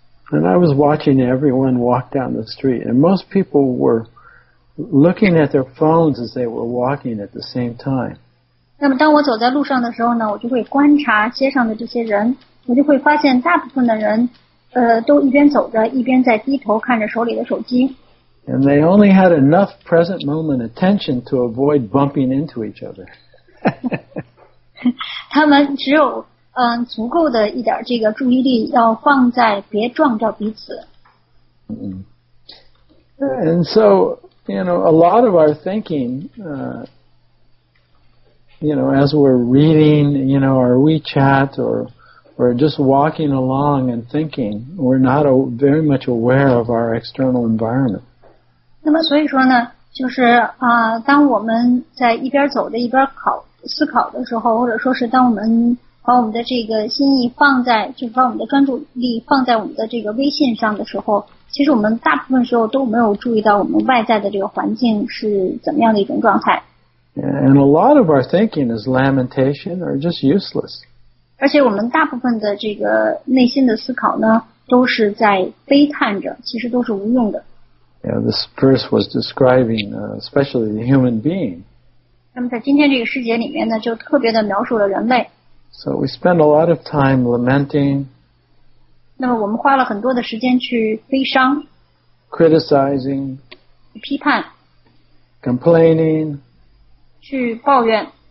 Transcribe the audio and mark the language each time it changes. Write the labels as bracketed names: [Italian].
[English] And I was watching everyone walk down the street, and most people were looking at their phones as they were walking at the same time. [Chinese] 那么当我走在路上的时候呢，我就会观察街上的这些人，我就会发现大部分的人都一边走着一边在低头看着手里的手机。 [English] And they only had enough present moment attention to avoid bumping into each other. [Chinese] 他们只有足够的一点这个注意力要放在别撞到彼此。 Mm-hmm. [English] And so, you know, a lot of our thinking, you know, as we're reading, you know, our WeChat or just walking along and thinking, we're not very much aware of our external environment. [Chinese] 那么所以说呢，就是当我们在一边走着一边思考的时候，或者说是当我们把我们的这个心意放在，就把我们的专注力放在我们的这个微信上的时候，其实我们大部分时候都没有注意到我们外在的这个环境是怎么样的一种状态。 [English] And a lot of our thinking is lamentation or just useless. [Chinese] 而且我们大部分的这个内心的思考呢，都是在悲叹着，其实都是无用的。 [English] Yeah, this verse was describing, especially the human being. [Chinese] 那么在今天这个世界里面呢，就特别的描述了人类。 [English] So we spend a lot of time lamenting. [Chinese] 那么我们花了很多的时间去悲伤。 [English] Criticizing. [Chinese] 批判。 [English] Complaining. [Chinese] 去抱怨。